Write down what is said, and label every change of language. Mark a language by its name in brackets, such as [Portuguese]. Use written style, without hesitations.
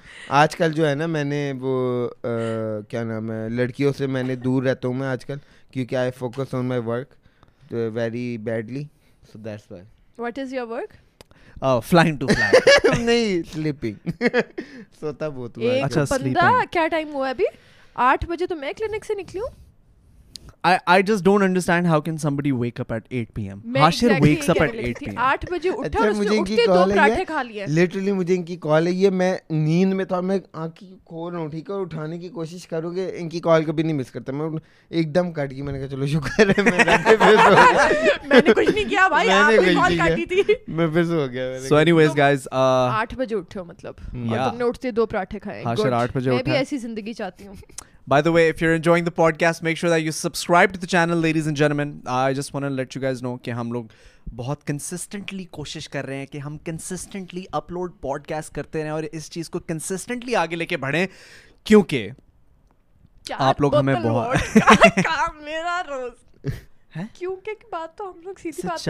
[Hindi] आजकल जो है ना, मैंने वो क्या नाम है, लड़कियों से मैंने दूर रहता हूँ मैं आजकल, क्योंकि [English] I focus on my work very badly, so that's why. What is your work? Flying to fly, [Hindi] नहीं स्लीपिंग, सोता बहुत हुआ। अच्छा, बंदा क्या टाइम हुआ अभी? 8 बजे तो मैं क्लिनिक से निकली हूँ। [English] I just don't understand how can somebody wake up at 8 PM. Hashir wakes up at 8 PM. [Hindi] 8 बजे उठा और उसने उठ के दो पराठे खा लिए। Literally मुझे इनकी कॉल आई है, मैं नींद में था, मैं आंखें खोल रहा हूँ, ठीक है, और उठाने की कोशिश करूँगी, इनकी कॉल कभी नहीं मिस करता मैं, एकदम कट गई, मैंने कहा चलो शुक्र है, मैंने कुछ नहीं किया भाई, मैं फिर सो गया। [English] So anyways guys, [Hindi] 8 बजे उठे हो मतलब, तुमने उठते दो पराठे खाए, हाशिर 8 बजे उठा। मैं भी ऐसी जिंदगी चाहती हूँ। [English] By the way, if you're enjoying the podcast, make sure that you subscribe to the channel, ladies and gentlemen. I just want to let you guys know [Hindi] कि हम लोग बहुत consistently कोशिश कर रहे हैं कि हम consistently upload podcast करते रहें और इस चीज़ को consistently आगे लेके बढ़ें, क्योंकि आप लोग हमें बहुत काम मेरा रोज़ क्योंकि बात तो हम लोग सीधी बात कर सकते